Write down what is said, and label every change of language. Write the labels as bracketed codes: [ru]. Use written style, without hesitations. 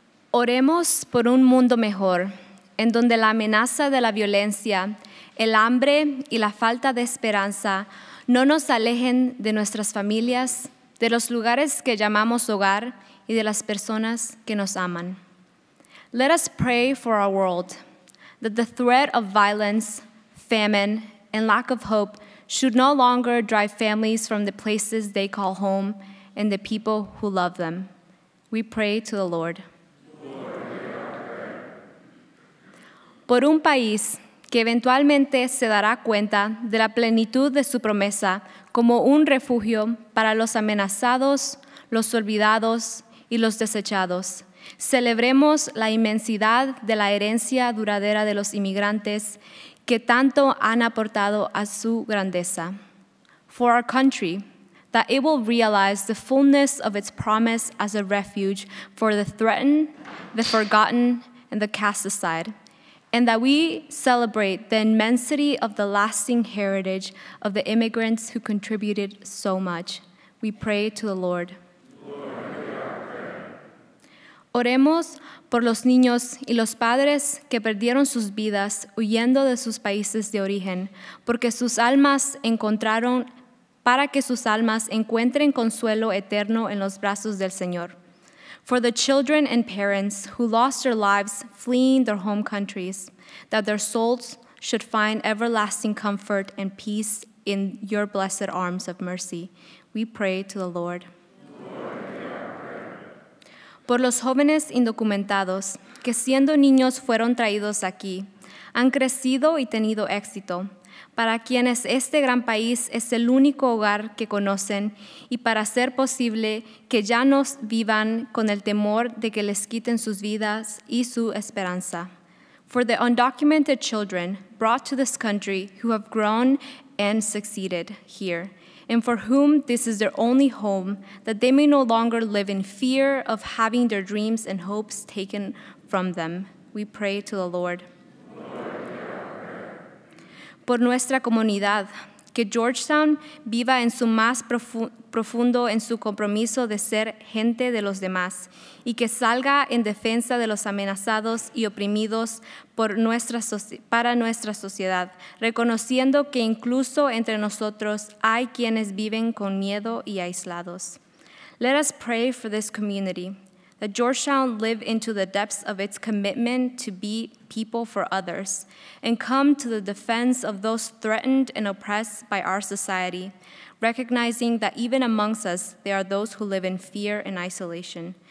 [es] Oremos por un mundo mejor, en donde la amenaza de la violencia, el hambre y la falta de esperanza no nos alejen de nuestras familias, de los lugares que llamamos hogar y de las personas que nos aman. [en] Let us pray for our world, that the threat of violence, famine, and lack of hope should no longer drive families from the places they call home and the people who love them. We pray to the Lord. [es] Por un país que eventualmente se dará cuenta de la plenitud de su promesa como un refugio para los amenazados, los olvidados y los desechados. Celebremos la inmensidad de la herencia duradera de los inmigrantes que tanto han aportado a su grandeza. [en] For our country, that it will realize the fullness of its promise as a refuge for the threatened, the forgotten, and the cast aside. And that we celebrate the immensity of the lasting heritage of the immigrants who contributed so much. We pray to the Lord. Lord, hear our prayer. [es] Oremos por los niños y los padres que perdieron sus vidas huyendo de sus países de origen, porque sus almas encontraron, para que sus almas encuentren consuelo eterno en los brazos del Señor. [en] For the children and parents who lost their lives fleeing their home countries, that their souls should find everlasting comfort and peace in your blessed arms of mercy. We pray to the Lord. Lord, hear our prayer. [es] Por los jóvenes indocumentados que siendo niños fueron traídos aquí, han crecido y tenido éxito, para quienes este gran país es el único hogar que conocen y para hacer posible que ya no vivan con el temor de que les quiten sus vidas y su esperanza. [en] For the undocumented children brought to this country who have grown and succeeded here, and for whom this is their only home, that they may no longer live in fear of having their dreams and hopes taken from them. We pray to the Lord. [es] Por nuestra comunidad, que Georgetown viva en su más profundo en su compromiso de ser gente de los demás y que salga en defensa de los amenazados y oprimidos por nuestra para nuestra sociedad, reconociendo que incluso entre nosotros hay quienes viven con miedo y aislados. [en] Let us pray for this community, that Georgetown live into the depths of its commitment to be people for others and come to the defense of those threatened and oppressed by our society, recognizing that even amongst us, there are those who live in fear and isolation.